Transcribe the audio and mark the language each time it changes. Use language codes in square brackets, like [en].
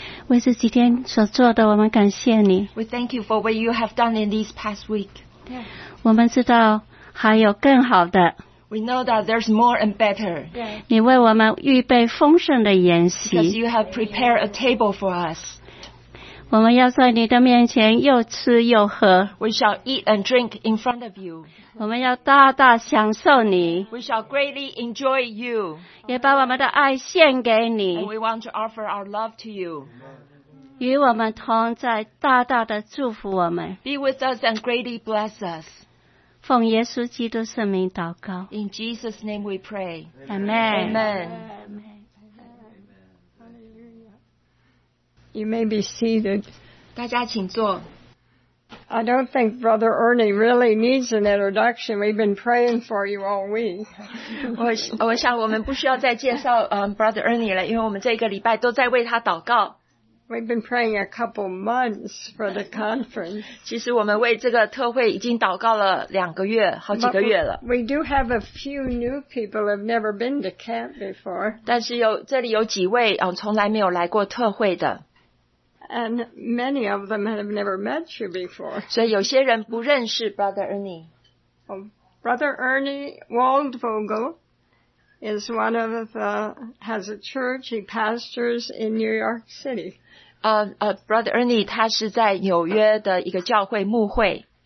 [zh] 为这几天所做的，我们感谢你。 [en] We thank you for what you have done in these past week. Yeah. [zh] 我们知道还有更好的。 [en] We know that there's more and better. Yeah. [zh] 你为我们预备丰盛的筵席。 [en] Because you have prepared a table for us. [zh] 我们要在你的面前又吃又喝。 [en] We shall eat and drink in front of you. [zh] 我们要大大享受你。 [en] We shall greatly enjoy you. [zh] 也把我们的爱献给你。 [en] And we want to offer our love to you. [zh] 与我们同在，大大的祝福我们。 [en] Be with us and greatly bless us. [zh] 奉耶稣基督圣名祷告。 [en] In Jesus' name we pray. Amen. Amen. Amen. You may be seated. 大家请坐。 I don't think Brother Ernie really needs an introduction. We've been praying for you all week. [zh] 我想我们不需要再介绍Brother Ernie了, 因为我们这个礼拜都在为他祷告。 [en] We've been praying a couple months for the conference. [zh] 其实我们为这个特会已经祷告了两个月，好几个月了。 [en] We do have a few new people who have never been to camp before. [zh] 但是这里有几位从来没有来过特会的。 [en] And many of them have never met you before. [zh] 所以有些人不认识 Brother Ernie. [en] Oh, Brother Ernie Waldvogel is one of the, has a church, he pastors in New York City. [zh] Brother Ernie, 他是在纽约的一个教会牧会。